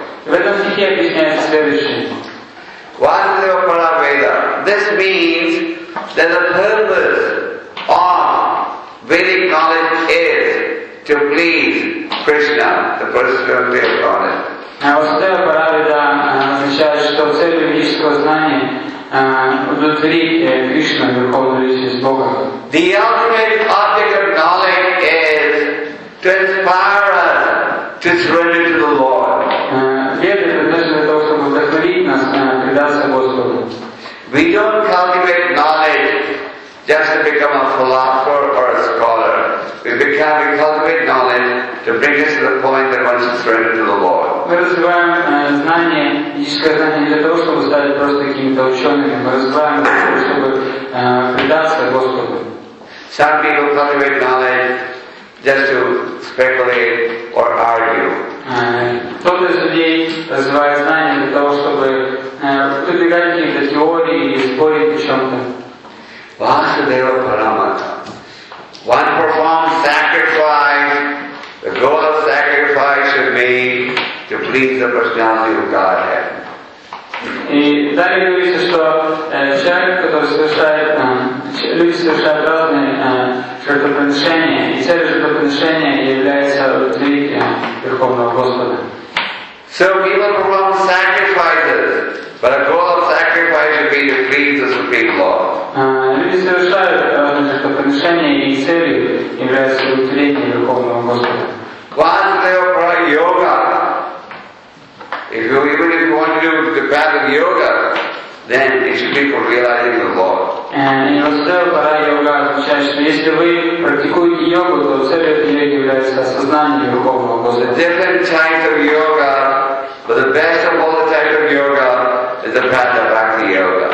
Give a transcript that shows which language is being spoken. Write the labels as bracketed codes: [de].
[en] Vasudeva Paraveda, this means that the purpose of Vedic knowledge is to please Krishna, the personality of Godhead. [ru] А вот Сутела Парадида означает, что цель юридического знания удовлетворить Кришну, Верховную Личность Бога. [en] The ultimate object of knowledge is to inspire us to surrender to the Lord. We don't cultivate knowledge just to become a philosopher or a scholar. We cultivate knowledge to bring us to the point that one should surrender to the Lord. [ru] Мы развиваем знание, физическое знание, не для того, чтобы стать просто какими-то учеными. Мы развиваем для того, чтобы предаться Господу. [en] Some people cultivate knowledge just to speculate or argue. [ru] Кто-то из людей развивает знание для того, чтобы выдвигать какие-то теории или спорить о чем-то. [en] Васудева Парамата. One performs sacrifice. The goal of sacrifice should be to please the personality of Godhead. [ru] И далее говорится, что человек, который совершает, люди совершают разные жертвоприношения, и цель жертвоприношения является удовлетворением Верховного Господа. [en] So people perform sacrifices, but the goal of sacrifice should be to please the Supreme Lord. [ru] Люди совершают разные жертвоприношения, и целью является удовлетворение Верховного Господа. [en] Vasudeva Parama Yoga. If you want to do the path of yoga, then it should be for realizing the Lord. And in Vasudeva Parama Yoga, if you practice yoga, then the goal of yoga is to realize the Supreme Lord. Different types of yoga, but the best of all the types of yoga is the path of Bhakti Yoga.